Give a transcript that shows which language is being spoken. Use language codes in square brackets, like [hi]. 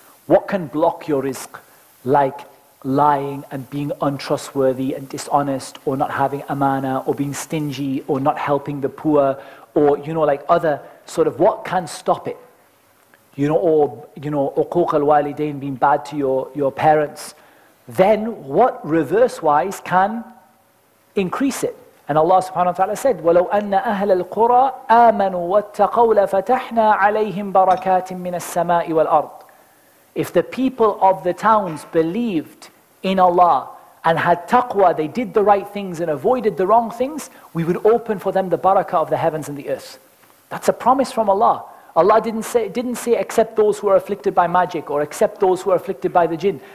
[en] What can block your rizq? Like lying and being untrustworthy and dishonest, or not having amana, or being stingy, or not helping the poor, or, you know, like other sort of, what can stop it? You know, or, you know, uquq al-walidain, being bad to your parents. Then what reverse-wise can increase it? And Allah subhanahu wa ta'ala said, [ar] وَلَوْ أَنَّ أَهْلَ الْقُرَىٰ آمَنُوا وَاتَّقَوْا لَفَتَحْنَا عَلَيْهِمْ بَرَكَاتٍ مِّنَ السَّمَاءِ وَالْأَرْضِ. [en] If the people of the towns believed in Allah and had taqwa, they did the right things and avoided the wrong things, we would open for them the barakah of the heavens and the earth. That's a promise from Allah. Allah didn't say accept those who are afflicted by magic or accept those who are afflicted by the jinn.